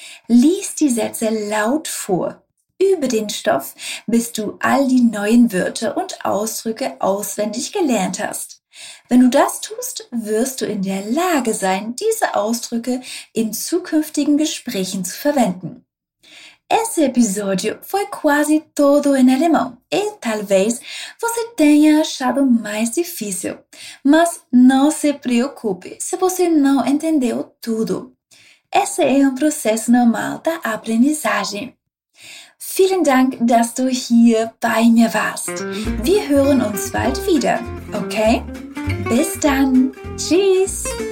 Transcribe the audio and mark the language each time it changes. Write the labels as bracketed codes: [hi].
[de] Lies die Sätze laut vor. Übe den Stoff, bis du all die neuen Wörter und Ausdrücke auswendig gelernt hast. Wenn du das tust, wirst du in der Lage sein, diese Ausdrücke in zukünftigen Gesprächen zu verwenden. [pt] Esse episodio foi quasi todo in alemão e talvez você tenha achado mais difícil. Mas não se preocupe se você não entendeu tudo. Esse é processo normal da aprendizagem. [de] Vielen Dank, dass du hier bei mir warst. Wir hören uns bald wieder, okay? Bis dann. Tschüss.